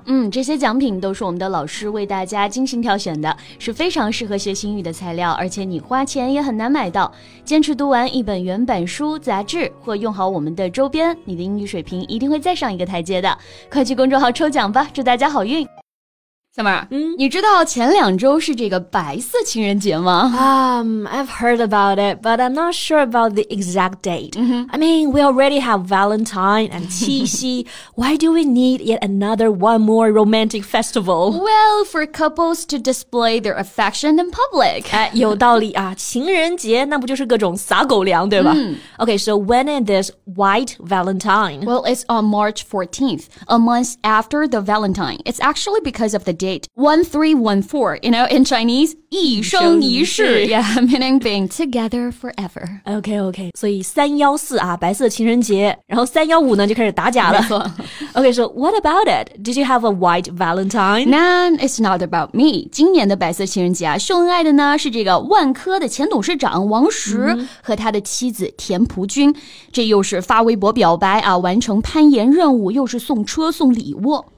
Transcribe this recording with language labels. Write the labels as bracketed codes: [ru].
[zh] 嗯，这些奖品都是我们的老师为大家精心挑选的，是非常适合学习英语的材料，而且你花钱也很难买到。坚持读完一本原版书、杂志或用好我们的周边，你的英语水平一定会再上一个台阶的。快去公众号抽奖吧，祝大家好运。小妹儿，你知道前两周是这个白色情人节吗？ [en] I've heard about it, but I'm not sure about the exact date. I mean, we already have Valentine and 七夕. Why do we need yet another one more romantic festival? Well, for couples to display their affection in public. [zh] 有道理啊，情人节那不就是各种撒狗粮，对吧？ [en] Okay, so when is this White Valentine? Well, it's on March 14th, a month after the Valentine. It's actually because of the date 1314, you know, in Chinese, [zh] 一生一世, [en] yeah, meaning being together forever. Okay, okay. [zh] 所以314啊，白色情人节，然后315呢就开始打假了。 [en] Okay, so what about it? Did you have a white Valentine? Nah, it's not about me. [zh] 今年的白色情人节啊，秀恩爱的呢是这个万科的前董事长王石和他的妻子田朴珺，这又是发微博表白啊，完成攀岩任务，又是送车送礼物。